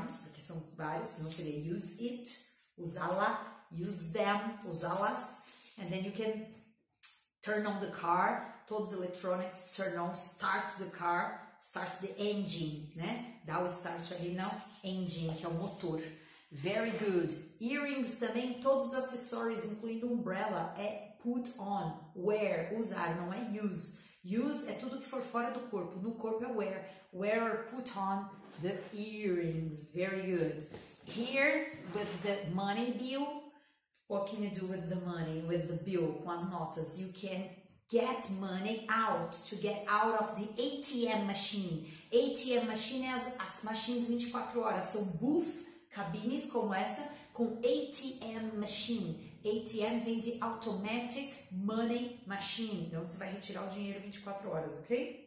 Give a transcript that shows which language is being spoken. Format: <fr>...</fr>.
<pt>Them, porque são várias, não seria</pt> <en>use it.</en> <pt>Usá-la.</pt> <en>Use them,</en> <pt>usá-las.</pt> <en>And then you can turn on the car.</en> <pt>Todos os</pt> <en>electronics, turn on, start the car. Start the engine,</en> <pt>né? Dá o start ali, não. Engine, que é o motor.</pt> <en>Very good.</en> <pt>Earrings também, todos os acessórios, incluindo umbrella, é</pt> <en>put on.</en> <pt>Wear, usar, não é use. Use é tudo que for fora do corpo. No corpo é</pt> <en>wear. Wear or put on the earrings. Very good. Here, with the money bill, what can you do with the money, with the bill,</en> <pt>com as notas?</pt> <en>You can get money out, to get out of the ATM machine.</en> <pt>ATM machine é as machines 24 horas, são booth, cabines como essa, com ATM machine. ATM vem de automatic money machine, então você vai retirar o dinheiro 24 horas, ok?</pt>